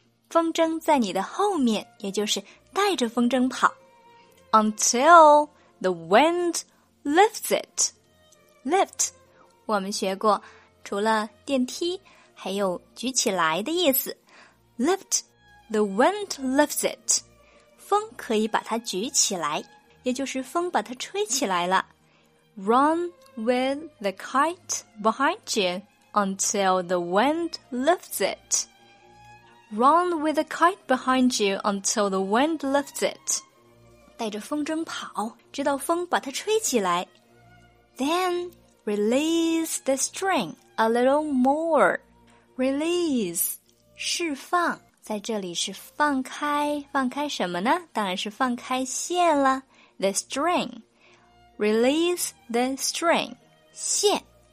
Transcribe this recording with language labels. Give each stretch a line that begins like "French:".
Chinese: 风筝在你的后面也就是带着风筝跑
English: Until the wind lifts it.
Chinese: Lift, 我们学过除了电梯还有举起来的意思
English: Lift, the wind lifts it.
Chinese: 风可以把它举起来，也就是风把它吹起来了。
English: Run with the kite behind you until the wind lifts it. Run with the kite behind you until the wind lifts it.
Chinese: 带着风筝跑，直到风把它吹起来。
English: Then release the string a little more.
Chinese: Release, 释放。在这里是放开，放开什么呢？当然是放开线了。
English: The string. Release the string.
Chinese: 线。